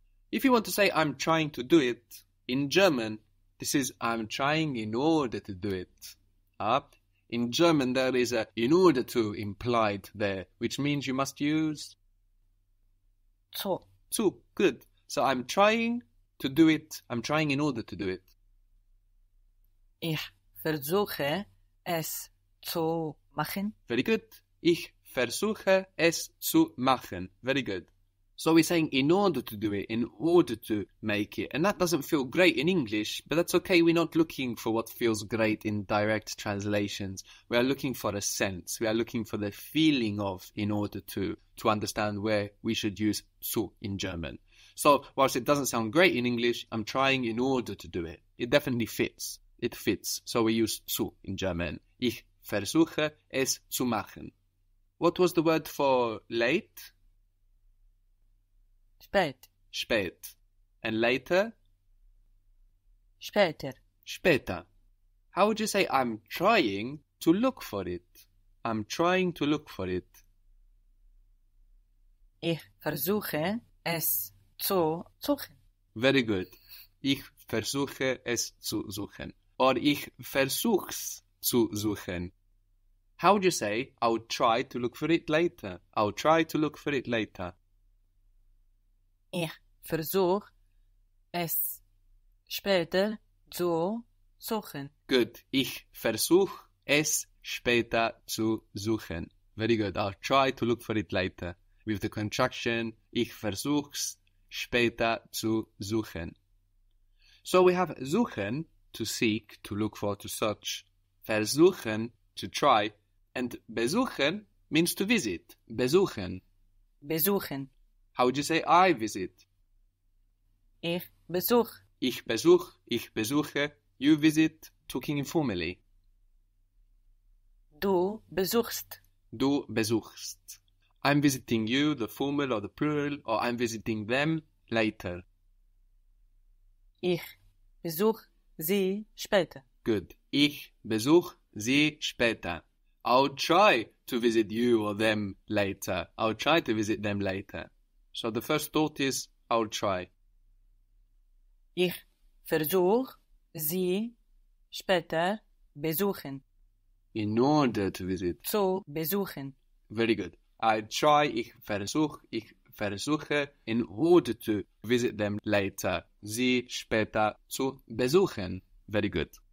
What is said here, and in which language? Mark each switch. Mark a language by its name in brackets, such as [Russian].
[English] If you want to say I'm trying to do it, in German, this is I'm trying in order to do it. In German, there is a in order to implied there, which means you must use [German] zu. [English] Zu, good. So I'm trying to do it. I'm trying in order to do it. [German] Ich versuche es zu machen. [English] Very good. [German] Ich versuche es zu machen. [English] Very good. So we're saying in order to do it, in order to make it. And that doesn't feel great in English, but that's okay. We're not looking for what feels great in direct translations. We are looking for a sense. We are looking for the feeling of in order to understand where we should use zu in German. So whilst it doesn't sound great in English, I'm trying in order to do it. It definitely fits. It fits. So we use zu in German. [German] Ich versuche es zu machen. [English] What was the word for late? [German] Spät. [English] And later? [German] Später. [English] How would you say I'm trying to look for it? I'm trying to look for it. [German] Ich versuche es zu suchen. [English] Very good. [German] Ich versuche es zu suchen. Or ich versuch's zu suchen. [English] How would you say I'll try to look for it later? I'll try to look for it later. [German] Ich versuche es später zu suchen. Good. Ich versuche es später zu suchen. [English] Very good. I'll try to look for it later. With the contraction, [German] ich versuch's später zu suchen. [English] So we have suchen, to seek, to look for, to search. Versuchen, to try. And besuchen means to visit. Besuchen. [German] Besuchen. [English] How would you say I visit? [German] Ich besuch. Ich besuch, ich besuche, [English] you visit, talking informally. [German] Du besuchst. Du besuchst. [English] I'm visiting you, the formal or the plural, or I'm visiting them later. [German] Ich besuch sie später. Good. Ich besuch sie später. [English] I'll try to visit you or them later. I'll try to visit them later. So the first thought is, I'll try. [German] Ich versuch sie später besuchen. [English] In order to visit. [German] Zu besuchen. [English] Very good. I try, [German] ich versuche, [English] in order to visit them later, [German] sie später zu besuchen. [English] Very good.